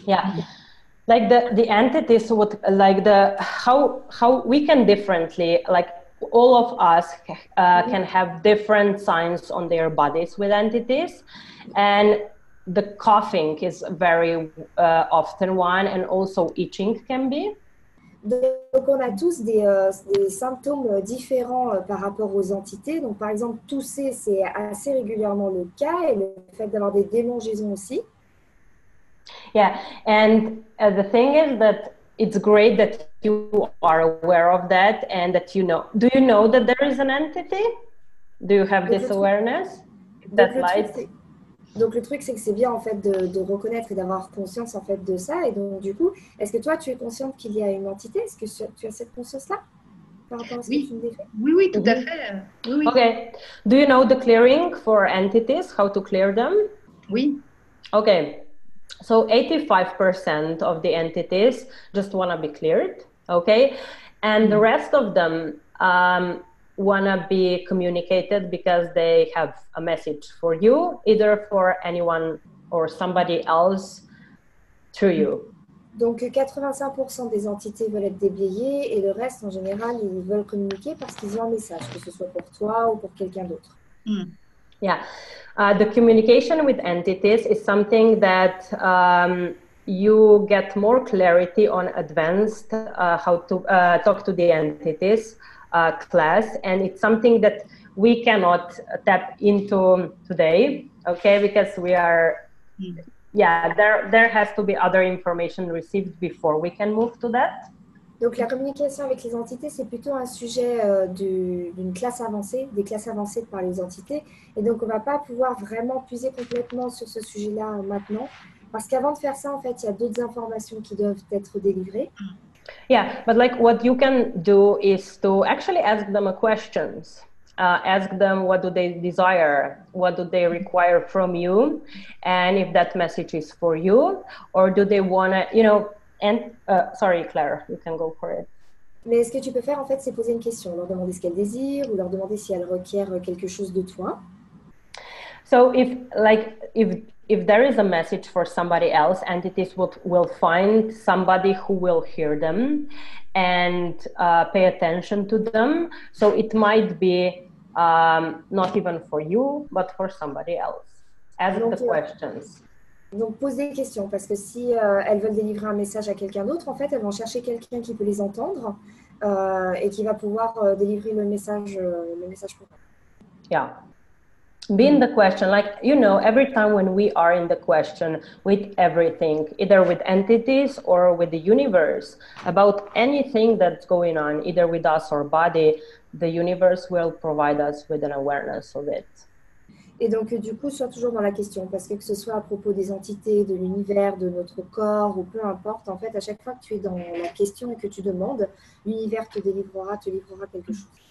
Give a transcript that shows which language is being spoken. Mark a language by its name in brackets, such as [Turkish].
[English] Yeah, like the entities would like the how we can differently, like all of us can have different signs on their bodies with entities, and the coughing is very often one, and also itching can be. [French] Donc, on a tous des symptômes différents par rapport aux entités. Donc, par exemple, tousser, c'est assez régulièrement le cas, et le fait d'avoir des démangeaisons aussi. [English] Yeah, and the thing is that it's great that you are aware of that and that you know. Do you know that there is an entity? Do you have this awareness? That light? [French] Donc, le truc, c'est que c'est bien, en fait, de reconnaître et d'avoir conscience, en fait, de ça. Et donc, du coup, est-ce que toi, tu es consciente qu'il y a une entité? Est-ce que tu as cette conscience-là par rapport à ce que tu me disais? Oui, tout à fait. Oui. [English] Okay. Do you know the clearing for entities, how to clear them? [French] Oui. [English] Okay. So, 85% of the entities just want to be cleared, okay? And the rest of them wanna be communicated because they have a message for you, either for anyone or somebody else to you. [French] Donc 85% des entités veulent être déblayées et le reste en général ils veulent communiquer parce qu'ils ont un message, que ce soit pour toi ou pour quelqu'un d'autre. [English] The communication with entities is something that you get more clarity on advanced how to talk to the entities class, and it's something that we cannot tap into today, okay, because we are there has to be other information received before we can move to that. [French] Donc la communication avec les entités, c'est plutôt un sujet d'une classe avancée, des classes avancées par les entités, et donc on va pas pouvoir vraiment puiser complètement sur ce sujet-là maintenant, parce qu'avant de faire ça, en fait, il y a d'autres informations qui doivent être délivrées. [English] Yeah, but like what you can do is to actually ask them questions. Ask them what do they desire, what do they require from you, and if that message is for you, or do they want to, you know, and sorry, Claire, you can go for it. [French] Mais ce que tu peux faire, en fait, c'est poser une question, leur demander ce qu'elles désirent, ou leur demander si elles requièrent quelque chose de toi. [English] So if, like, if there is a message for somebody else, entities will find somebody who will hear them and pay attention to them. So it might be not even for you, but for somebody else. Ask the questions. [French] Donc, posez des questions, parce que si elles veulent délivrer un message à quelqu'un d'autre, en fait, elles vont chercher quelqu'un qui peut les entendre et qui va pouvoir délivrer le message pour elles. [English] Yeah. Being the question, like, you know, every time when we are in the question with everything, either with entities or with the universe, about anything that's going on, either with us or body, the universe will provide us with an awareness of it. [French] Et donc, du coup, sois toujours dans la question, parce que ce soit à propos des entités, de l'univers, de notre corps, ou peu importe, en fait, à chaque fois que tu es dans la question et que tu demandes, l'univers te livrera quelque chose.